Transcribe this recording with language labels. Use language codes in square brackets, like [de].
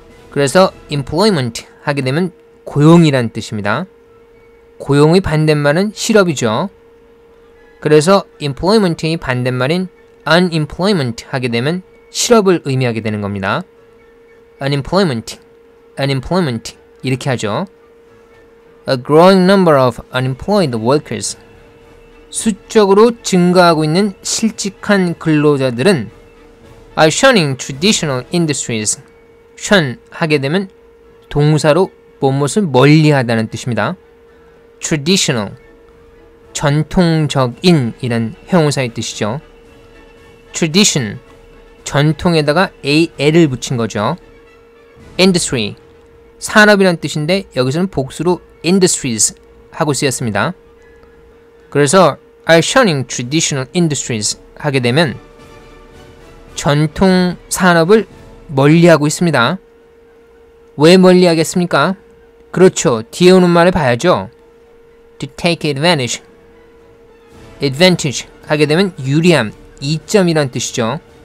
[ko] 그래서 employment 하게 되면 고용이란 뜻입니다. 고용의 반대말은 실업이죠. 그래서 employment의 반대말인 unemployment 하게 되면 실업을 의미하게 되는 겁니다. unemployment, unemployment 이렇게 하죠. [en] A growing number of unemployed workers, [ko] 수적으로 증가하고 있는 실직한 근로자들은 [en] are shunning traditional industries. [ko] shun 하게 되면 동사로 무엇을 멀리하다는 뜻입니다. traditional, 전통적인 이란 형용사의 뜻이죠. tradition, 전통에다가 al을 붙인 거죠. industry, 산업이란 뜻인데 여기서는 복수로 industries 하고 쓰였습니다. 그래서 [en] are shunning traditional industries [ko] 하게 되면 전통 산업을 멀리하고 있습니다. 왜 멀리하겠습니까? 그렇죠. 뒤에 오는 말을 봐야죠. [en] To take advantage. [ko] Advantage 하게 되면 유리함, 이점이란 뜻이죠.